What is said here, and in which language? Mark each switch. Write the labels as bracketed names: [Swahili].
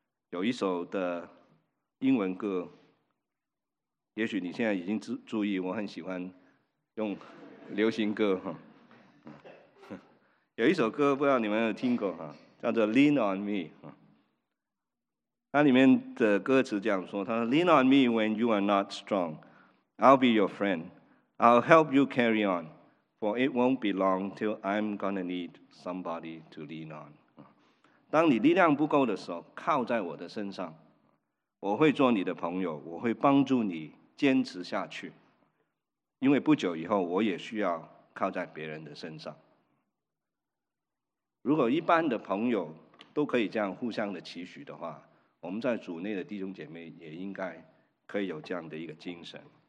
[Chinese] 有一首的英文歌，也许你现在已经注意，我很喜欢用流行歌，有一首歌不知道你们有听过，叫做 Lean on me。它里面的歌词这样说，它说 [English] Lean on me when you are not strong, I'll be your friend, I'll help you carry on, for it won't be long till I'm gonna need somebody to lean on。 [Chinese] 当你力量不够的时候，靠在我的身上，我会做你的朋友，我会帮助你坚持下去，因为不久以后我也需要靠在别人的身上。如果一般的朋友都可以这样互相的期许的话，我们在主内的弟兄姐妹也应该可以有这样的一个精神。